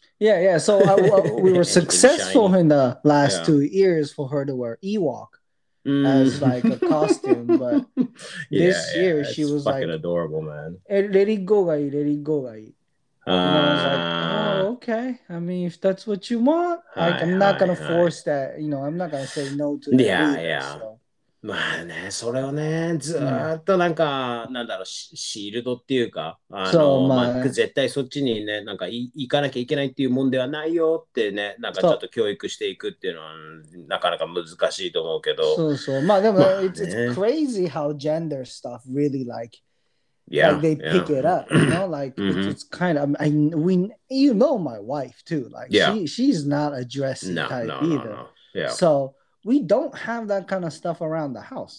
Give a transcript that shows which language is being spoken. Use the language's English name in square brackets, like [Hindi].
[English] Yeah, yeah. So we were successful in the last 2 years for her to wear Ewok as like a costume. But this year she was fucking like... fucking adorable, man. Let it go, guy. And I was like, oh, okay. I mean, if that's what you want, like, I'm not going to force that. You know, I'm not going to say no to that. Yeah. So. [Japanese] まあね、それをね、ずっとなんか、なんだろう、シールドっていうか、絶対そっちにね、なんか行かなきゃいけないっていうもんではないよってね、なんかちょっと教育していくっていうのは、なかなか難しいと思うけど。そうそう。まあでも、まあね、 [English] it's crazy how gender stuff really like, yeah, like they pick it up, you know? Like, it's kind of, you know my wife too, like, she's not a dressy type either. So,We don't have that kind of stuff around the house.